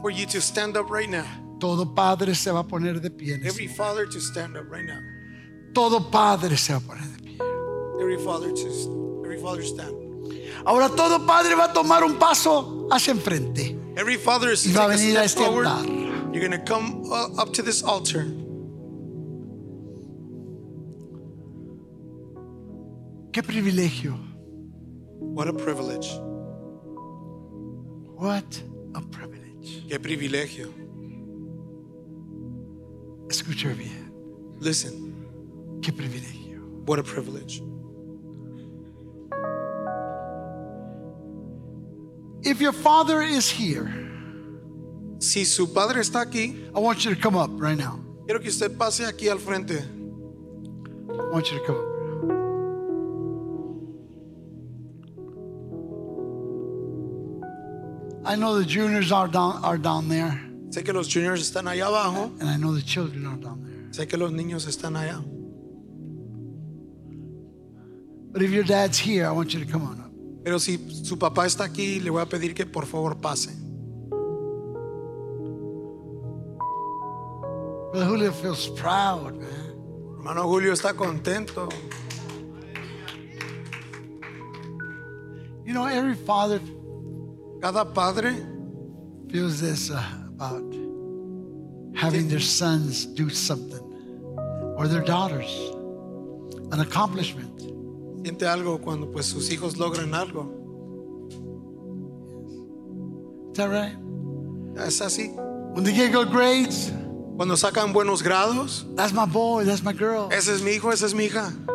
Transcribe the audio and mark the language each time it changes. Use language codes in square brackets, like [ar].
[en] For you to stand up right now. [es] Todo padre se va a poner de pie. [en] Every father to stand up right now. [es] Todo padre se va a poner de pie. [en] Every father stand. [es] Ahora todo padre va a tomar un paso hacia enfrente. [en] Every father is going to take a step forward. You're going to come up to this altar. [es] Qué privilegio. [en] What a privilege. What a privilege. [es] Qué privilegio. Escucha bien. [en] Listen. [es] Qué privilegio. [en] What a privilege. If your father is here, [es] si su padre está aquí, [en] I want you to come up right now. [es] Quiero que usted pase aquí al frente. [en] I want you to come up. I know the juniors are down there. [es] Sé que los juniors están allá abajo. [en] And I know the children are down there. [es] Sé que los niños están allá. [en] But if your dad's here, I want you to come on up. [es] Pero si su papá está aquí, le voy a pedir que por favor pase. [en] Brother Julio feels proud, man. [es] Hermano Julio está contento. [en] You know, every father, [es] cada padre, [en] feels this about having their sons do something, or their daughters, an accomplishment. [es] Siente algo cuando pues sus hijos logran algo. [en] Is that right? [es] Es así. [en] When they get good grades. [es] Cuando sacan buenos grados. [en] That's my boy, that's my girl. [es] Ese es mi hijo, esa es mi hija.